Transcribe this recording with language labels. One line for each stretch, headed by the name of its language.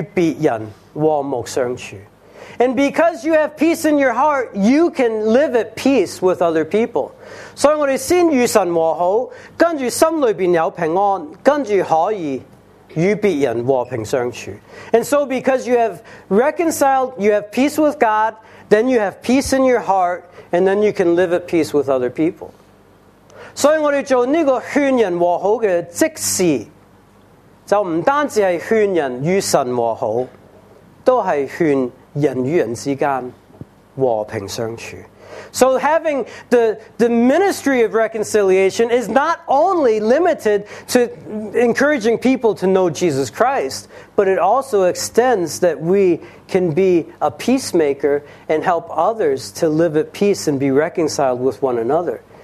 Cantonese: 因为你心里平安，你可以与别人和睦相处。
English: And because you have peace in your heart, you can live at peace with other people.
Cantonese: 所以我们先与神和好，跟住心里边有平安，跟住可以 与别人和平相处。
English: And so because you have reconciled, you have peace with God, then you have peace in your heart, and then you can live at peace with other people.
Cantonese: 所以我们做这个劝人和好的即事，就不单止是劝人与神和好，都是劝人与人之间和平相处。
English: So having the ministry of reconciliation is not only limited to encouraging people to know Jesus Christ, but it also extends that we can be a peacemaker and help others to live at peace and be reconciled with one another.